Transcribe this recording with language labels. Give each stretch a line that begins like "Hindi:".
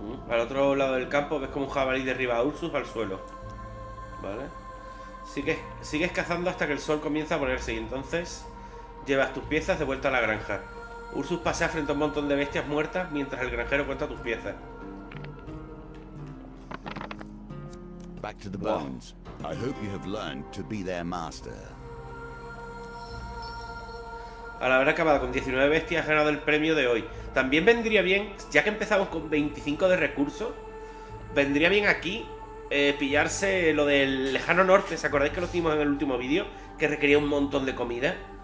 Spanish: Al otro lado del campo ves como un jabalí derriba a Ursus al suelo. ¿Vale? Sigues cazando hasta que el sol comienza a ponerse y entonces llevas tus piezas de vuelta a la granja. Ursus pasea frente a un montón de bestias muertas mientras el granjero cuenta tus piezas.
English: Back to the bones. I hope you have learned to be their master.
Spanish: Al haber acabado con 19 bestias, has ganado el premio de hoy. También vendría bien, ya que empezamos con 25 de recursos, vendría bien aquí pillarse lo del lejano norte. ¿Se acordáis que lo hicimos en el último vídeo? Que requería un montón de comida.